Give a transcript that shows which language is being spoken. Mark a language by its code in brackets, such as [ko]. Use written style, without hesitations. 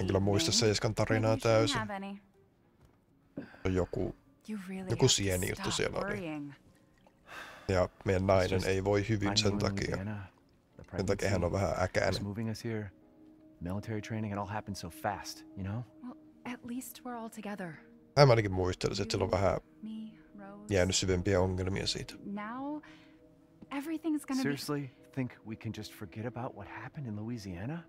[fi] en kyllä muista Seiskan tarinaa täysin. [en] Maybe you shouldn't have any. [fi] Joku sieni juttu siellä oli. Ja meidän nainen ei voi hyvin sen takia. Sen takia hän on vähän äkäinen. [en] Military training, it all happened so fast, you know? Well, at least we're all together. [fi] Mä ainakin muistelin, että sillä on vähän jäänyt syvempiä ongelmia siitä. [en] Now, everything's gonna seriously, think we can just forget about what happened in Louisiana?